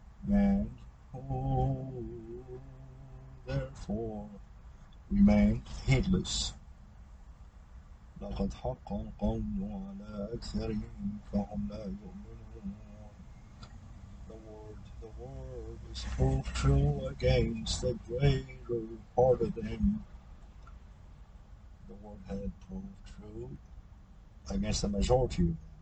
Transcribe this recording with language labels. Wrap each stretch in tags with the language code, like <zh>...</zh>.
<en>And who therefore remain heedless.</en> <ar>لقد حق القول على أكثرهم فهم لا يؤمنون.</ar> <en>The word is proved true against the greater part of them. The word had proved true against the majority of them.</en>